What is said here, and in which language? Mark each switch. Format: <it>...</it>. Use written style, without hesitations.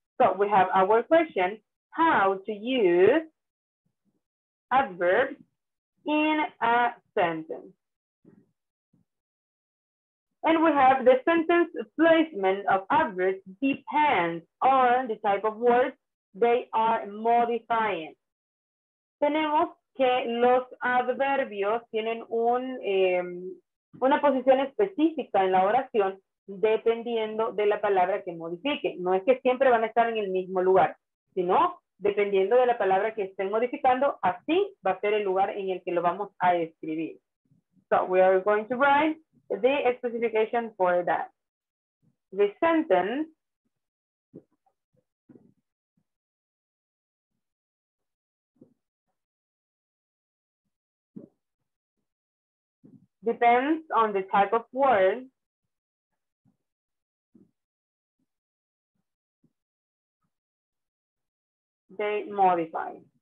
<en>So we have our question, how to use adverbs in a sentence. And we have the sentence placement of adverbs depends on the type of words they are modifying.</en> <es>Tenemos que los adverbios tienen una posición específica en la oración dependiendo de la palabra que modifiquen. No es que siempre van a estar en el mismo lugar, sino dependiendo de la palabra que estén modificando, así va a ser el lugar en el que lo vamos a escribir.</es> <en>So we are going to write the specification for that. The sentence depends on the type of word they modify.</en>